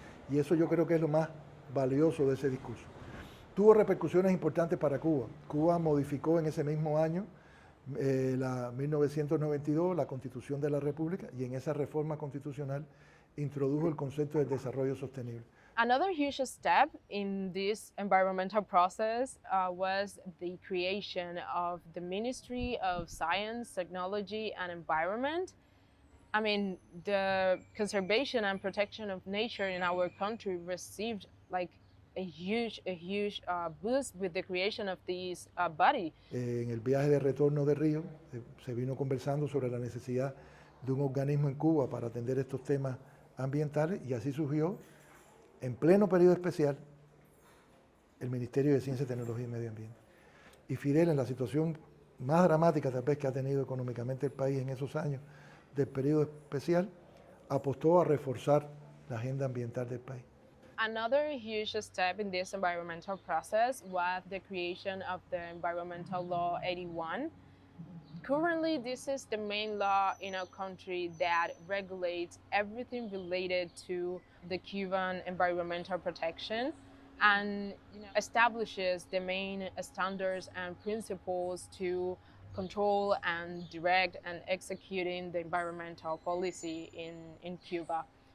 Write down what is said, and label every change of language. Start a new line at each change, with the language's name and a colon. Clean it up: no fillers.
Spanish: Y eso yo creo que es lo más valioso de ese discurso. Tuvo repercusiones importantes para Cuba. Cuba modificó en ese mismo año, la 1992, la Constitución de la República, y en esa reforma constitucional introdujo el concepto del desarrollo sostenible.
English: Another huge step in this environmental process was the creation of the Ministry of Science, Technology and Environment. I mean, the conservation and protection of nature in our country received like a huge boost with the creation of this body.
Spanish: En el viaje de retorno de Río, se vino conversando sobre la necesidad de un organismo en Cuba para atender estos temas ambientales y así surgió en pleno periodo especial, el Ministerio de Ciencia, Tecnología y Medio Ambiente. Y Fidel, en la situación más dramática tal vez que ha tenido económicamente el país en esos años del periodo especial, apostó a reforzar la agenda ambiental del país.
English: Another huge step in this environmental process was the creation of the Environmental Law 81. Currently, this is the main law in our country that regulates everything related to the Cuban environmental protection and, you know, establishes the main standards and principles to control and direct and executing the environmental policy in Cuba.